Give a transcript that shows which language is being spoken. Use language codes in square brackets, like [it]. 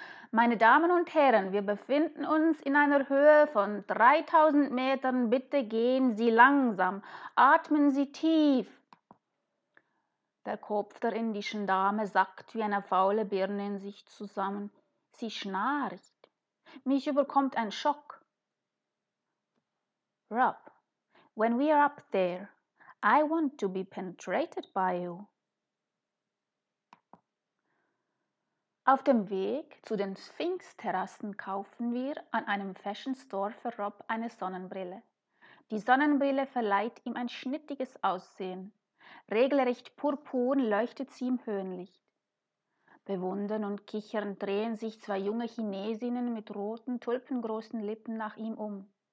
[de] Meine Damen und Herren, wir befinden uns in einer Höhe von 3000 Metern. Bitte gehen Sie langsam, atmen Sie tief. Der Kopf der indischen Dame sackt wie eine faule Birne in sich zusammen. Sie schnarcht. Mich überkommt ein Schock. [en] Rob, when we are up there, I want to be penetrated by you. [de] Auf dem Weg zu den Sphinx-Terrassen kaufen wir an einem Fashion Store für Rob eine Sonnenbrille. Die Sonnenbrille verleiht ihm ein schnittiges Aussehen. Regelrecht purpurn leuchtet sie im Höhenlicht. Bewundern und kichern drehen sich zwei junge Chinesinnen mit roten, tulpengroßen Lippen nach ihm um.